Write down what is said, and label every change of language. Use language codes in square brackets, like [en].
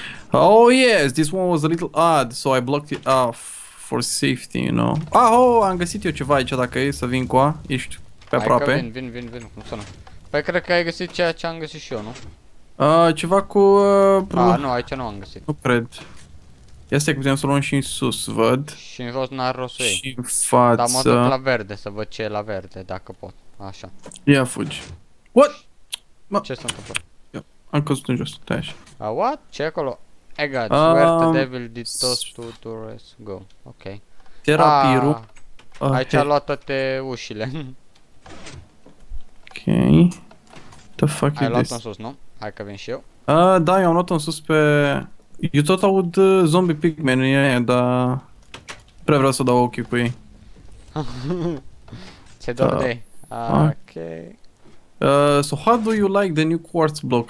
[en] Oh yes, this one was a little odd, so I blocked it off for safety, you know. [ro] Ah, am găsit eu ceva aici, dacă e să vin cu a, ești... Pe aproape. Hai că vin, cum sună. Păi cred că ai găsit ceea ce am găsit și eu, nu? Ceva cu... Nu, aici nu am găsit. Nu cred. Ia stai că putem să luăm și în sus, văd. Și în jos n-ar rost să iei. Și în față. Dar mă duc la verde, să văd ce e la verde, dacă pot. Așa. Ia fugi. What? Ce s-a întâmplat? Am căzut în jos, stai așa. What? Ce e acolo? [en] Egad, where the devil did those two doors go? Ok. Terapiru. [ro] Aici a luat toate ușile. [en] Ok. What the fuck [ro] ai [en] is [ro] luat-o [en] this? [ro] În sus, nu? Hai că vin și eu. Da, eu am luat-o în sus pe... Eu tot aud zombie pigmen în ea, dar... Prea vreau să dau ochii cu ei. Ce dor de ei. Ok. [en] So how do you like the new quartz block?